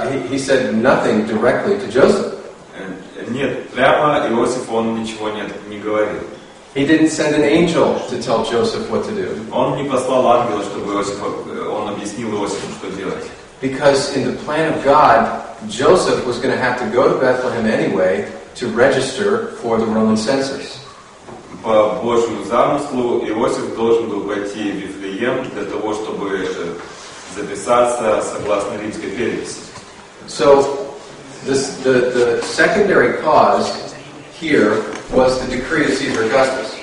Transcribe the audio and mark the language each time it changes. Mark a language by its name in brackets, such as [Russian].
[English] He said nothing directly to Joseph. [Russian] Нет, прямо Иосиф, он ничего не говорил. [English] He didn't send an angel to tell Joseph what to do. [Russian] Он не послал ангела, чтобы Иосиф, он объяснил Иосифу, что делать. [English] Because in the plan of God, Joseph was going to have to go to Bethlehem anyway to register for the Roman census. [Russian] По Божьему замыслу, Иосиф должен был пойти в Вифлеем для того, чтобы записаться согласно римской переписи. [English] So, the secondary cause here was the decree of Caesar Augustus.